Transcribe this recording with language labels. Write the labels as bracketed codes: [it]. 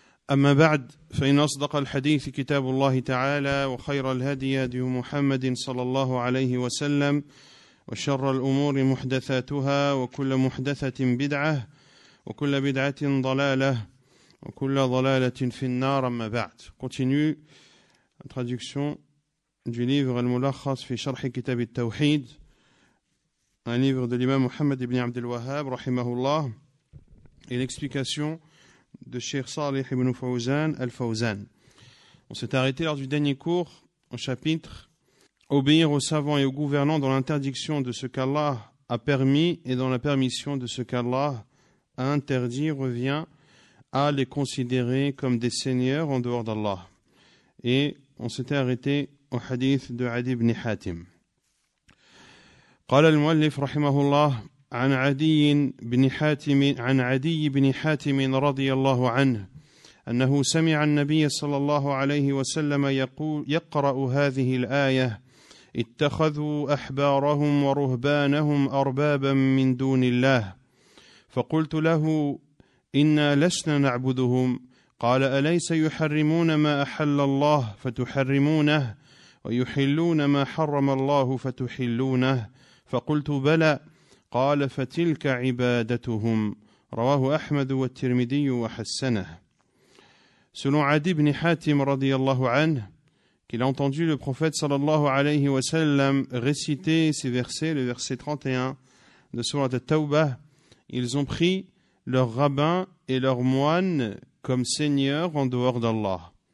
[ar] أما بعد، فإن أصدق الحديث كتاب الله تعالى، وخير الهدي هدي محمد صلى الله عليه وسلم، وشر الأمور محدثاتها، وكل محدثة بدعة، وكل بدعة ضلالة، وكل ضلالة في النار. أما بعد، [fr] continue traduction du livre الملخص في شرح كتاب التوحيد، un livre de l'imam Mohammed ibn Abd al-Wahhab رحمه الله، et l'explication de Cheikh Salih ibn Fawzan al-Fawzan. On s'est arrêté lors du dernier cours au chapitre « Obéir aux savants et aux gouvernants dans l'interdiction de ce qu'Allah a permis et dans la permission de ce qu'Allah a interdit » revient à les considérer comme des seigneurs en dehors d'Allah. Et on s'était arrêté au hadith de Adi ibn Hatim. [ar] « Qala al-muallif rahimahullah » عن عدي بن حاتم عن عدي بن حاتم رضي الله عنه أنه سمع النبي صلى الله عليه وسلم يقول يقرأ هذه الآية: اتخذوا أحبارهم ورهبانهم أربابا من دون الله. فقلت له: إنا لسنا نعبدهم. قال: أليس يحرمون ما أحل الله فتحرمونه، ويحلون ما حرم الله فتحلونه؟ فقلت: بلى. قال: فتلك عبادتهم. رواه أحمد والترمذي وحسنه. [fr] Selon Adi ibn Hatim radiyallahu anhu, qu'il a entendu le prophète sallallahu alayhi wa sallam réciter ces versets, le verset 31 de sourate At-Tawbah, ils ont pris leurs rabbins et leurs moines comme seigneurs en dehors d'Allah.